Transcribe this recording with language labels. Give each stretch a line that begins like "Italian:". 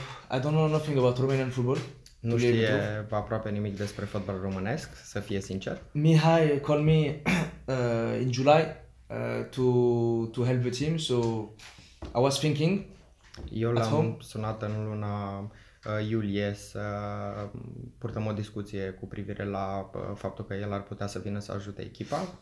English: I don't know nothing about Romanian football.
Romanian: Nu știe aproape nimic despre fotbal românesc, să fie sincer.
English: Mihai called me in July to help the team, so I was thinking.
Romanian: Eu l-am sunat în luna iulie să purtăm o discuție cu privire la faptul că el ar putea să vină să ajute echipa.